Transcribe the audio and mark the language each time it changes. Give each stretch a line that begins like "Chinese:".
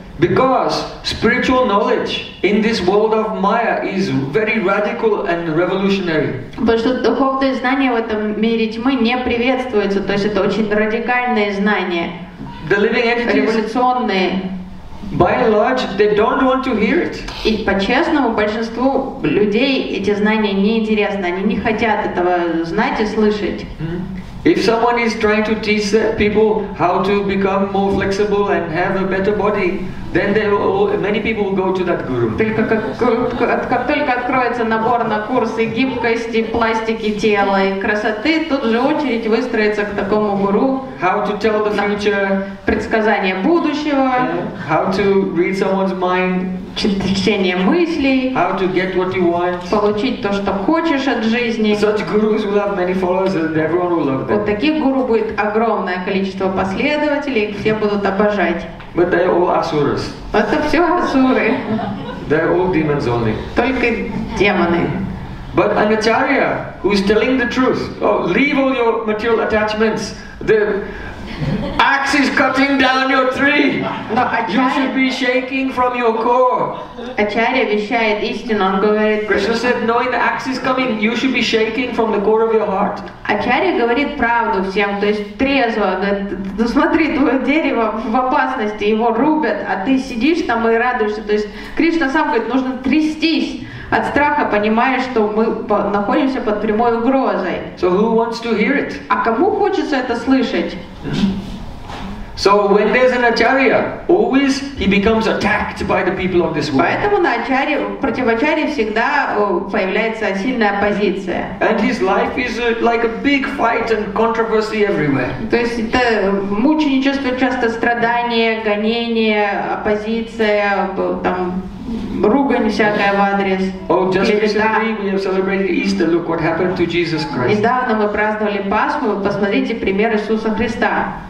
English: Because spiritual knowledge in this world of Maya is very radical and revolutionary.
Russian: Потому что духовные знания в этом мире тьмы не приветствуются, то есть это очень радикальные знания.
English: The living entities.
Russian: Революционные.
English: By and large, they don't want to hear it.
Russian: И по-честному, большинству людей эти знания не интересны, они не хотят этого знать и слышать. Mm-hmm.
English: If someone is trying to teach people how to become more flexible and have a better body, then many people will go to that guru.
Russian: Как только откроется набор на курсы гибкости, пластики тела и красоты, тут же очередь выстроится к такому гуру.
English: How to tell the future?
Russian: Предсказание будущего.
English: How to read someone's mind?
Russian: Чтение мыслей.
English: How to get what you want?
Russian: Получить то, что хочешь от жизни.
English: Such gurus will have many followers, and everyone will love them.
Russian: Вот таких гуру будет огромное количество последователей, и все будут обожать.
English: But they are all asuras.
Russian: Это все асуры.
English: They are all demons only.
Russian: Только демоны.
English: But an acharya who is telling the truth, oh, leave all your material attachments. The axe is cutting down your tree. You should be shaking from your core.
Russian: Acharya вещает истину. Он говорит.
English: Krishna said, knowing the axe is coming, you should be shaking from the core of your heart.
Russian: Acharya говорит правду всем, то есть трезво. Ну смотри, твое дерево в опасности, его рубят, а ты сидишь там и радуешься. То есть Кришна сам говорит, нужно трястись от страха, понимая, что мы находимся под прямой угрозой.
English: So who wants to hear it?
Russian: А кому хочется это слышать?
English: So when there's an acharya, always he becomes attacked by the people of this world.
Russian: Поэтому на ачарье, противоачарье всегда появляется сильная оппозиция.
English: And his life is like a big fight and controversy everywhere.
Russian: То есть это мученичество, часто страдания, гонения, оппозиция, там ругань всякая в адрес.
English: Oh, just recently we have celebrated Easter. Look what happened to Jesus Christ.
Russian: Недавно мы праздновали Пасху. Посмотрите пример Иисуса Христа.